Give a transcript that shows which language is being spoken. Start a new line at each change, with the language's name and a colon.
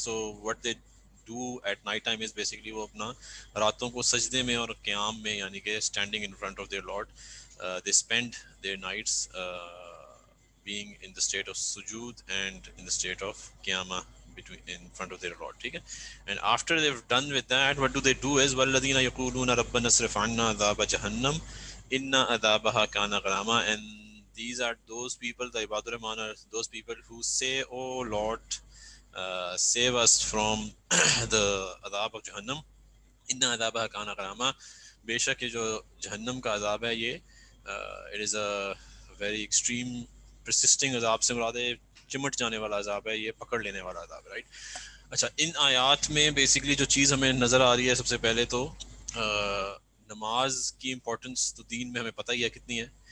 English: So what they do at night time is basically
Urdu: وہ اپنا راتوں کو سجدے میں اور قیام میں, یعنی کہ
English: standing in front of their Lord. They spend their nights being in the state of sujood and in the state of qiyama between in front of their Lord. Okay? And after they've done with that, what do they do is
Arabic: وَالَّذِينَ يَقُولُونَ رَبَّنَا اصْرِفْ عَنَّا عَذَابَ جَهَنَّمَ إِنَّ عَذَابَهَا كَانَ غَرَامًا.
English: And these are those people, the Ibadur Rahman, those people who say, oh Lord, save us from the adab of Jahannam.
Arabic: إِنَّ عَذَابَهَا كَانَ غَرَامًا.
Urdu: بے شک جو جہنم کا عذاب ہے یہ
English: it is a very extreme persisting
Urdu: عذاب سے مراد ہے, چمٹ جانے والا عذاب ہے یہ, پکڑ لینے والا عذاب, right? اچھا, ان آیات میں بیسیکلی جو چیز ہمیں نظر آ رہی ہے, سب سے پہلے تو نماز کی امپورٹنس تو دین میں ہمیں پتہ ہی ہے کتنی ہے.